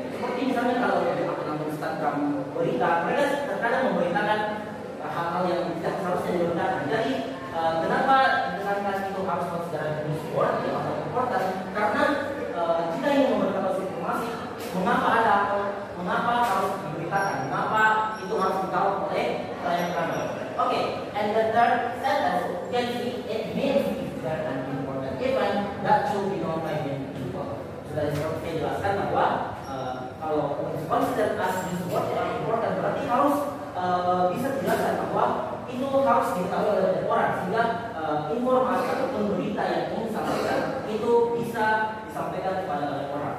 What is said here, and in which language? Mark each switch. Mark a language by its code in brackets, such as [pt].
[id] Seperti misalnya kalau dalam Instagram berita, mereka terkadang memberitakan hal-hal yang tidak harusnya diberitakan. Jadi kenapa dengan itu harus [en] considered newsworthy or important? [id] Karena kita ingin memberitakan informasi, mengapa ada atau mengapa harus diberitakan? Mengapa itu harus diketahui oleh yang ramai? Oke, okay. [en] And the third sentence, can you see it means that an important event that should be known by many people. [id] Sudah dijelaskan bahwa kalau [en] consider as newsworthy or important [id] berarti harus bisa dijelaskan bahwa itu harus diketahui oleh banyak orang sehingga informasi atau berita yang ingin disampaikan itu bisa disampaikan kepada banyak orang.